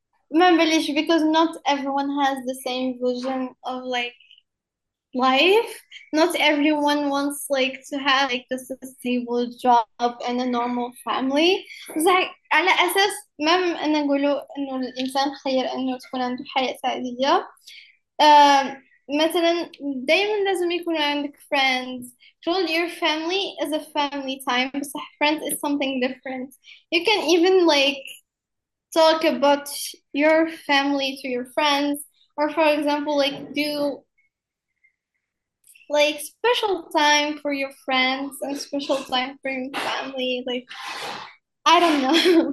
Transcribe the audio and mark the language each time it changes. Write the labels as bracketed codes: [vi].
[ar] ما بليش [en] because not everyone has the same vision of like life. Not everyone wants like to have like just a stable job and a normal family. [ar] Like على أساس ما أنا أقوله إنه الإنسان خير إنه تكون عنده حياة سعيدة. مثلا دايما لازم يكون عندك friends. [en] Told your family is a family time, but friends is something different. You can even like talk about your family to your friends, or for example, like do like special time for your friends and special time for your family. Like, I don't know.